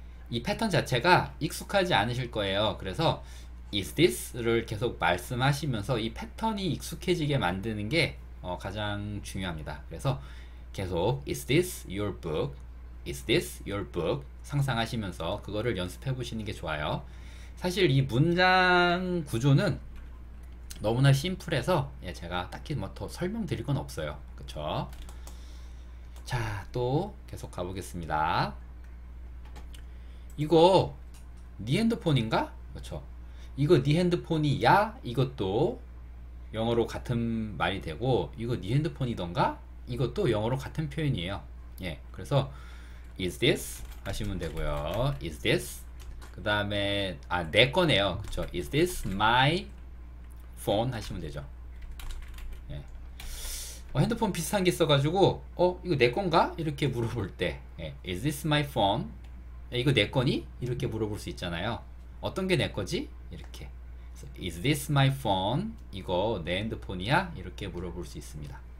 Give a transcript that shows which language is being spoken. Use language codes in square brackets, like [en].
[ko] 이 패턴 자체가 익숙하지 않으실 거예요. 그래서 [en] Is this? [ko] 를 계속 말씀하시면서 이 패턴이 익숙해지게 만드는 게 가장 중요합니다. 그래서 계속 [en] Is this your book? Is this your book? [ko] 상상하시면서 그거를 연습해 보시는 게 좋아요. 사실 이 문장 구조는 너무나 심플해서 제가 딱히 뭐더 설명드릴 건 없어요. 그쵸? 자, 또 계속 가보겠습니다. 이거 네 핸드폰인가? 그렇죠. 이거 네 핸드폰이야? 이것도 영어로 같은 말이 되고 이거 네 핸드폰이던가? 이것도 영어로 같은 표현이에요. 예. 그래서 is this 하시면 되고요. [en] is this [ko] 그다음에 아, 내 거네요. 그렇죠. [en] is this my phone [ko] 하시면 되죠. 핸드폰 비슷한 게 있어가지고 이거 내 건가? 이렇게 물어볼 때 예. [en] is this my phone? [ko] 이거 내 거니? 이렇게 물어볼 수 있잖아요. 어떤 게내 거지? 이렇게. [en] Is this my phone? [ko] 이거 내 핸드폰이야? 이렇게 물어볼 수 있습니다.